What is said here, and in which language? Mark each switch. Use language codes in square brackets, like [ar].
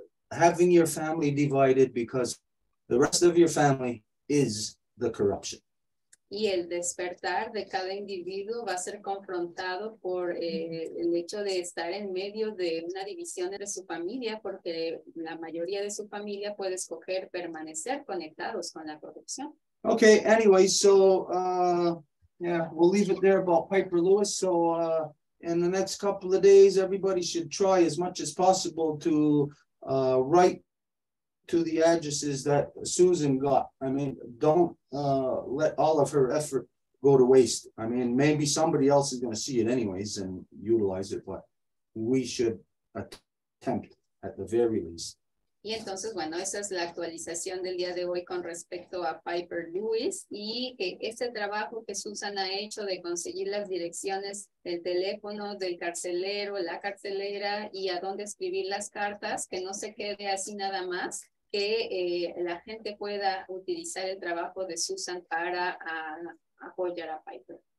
[en] having your family divided, because the rest of your family is the corruption. [es] Y el despertar de cada individuo va a ser confrontado por el hecho de estar en medio de una división de su familia, porque la mayoría de su familia puede escoger permanecer conectados con la corrupción. [en] Okay, anyway, so, we'll leave it there about Piper Lewis. So, in the next couple of days, everybody should try as much as possible to write to the addresses that Susan got. I mean, don't let all of her effort go to waste. I mean, maybe somebody else is going to see it anyways and utilize it, but we should attempt at the very least. [es] Y entonces, bueno, esa es la actualización del día de hoy con respecto a Piper Lewis, y que ese trabajo que Susan ha hecho de conseguir las direcciones del teléfono del carcelero, la carcelera, y a dónde escribir las cartas, que no se quede así nada más, que la gente pueda utilizar el trabajo de Susan para apoyar a Piper.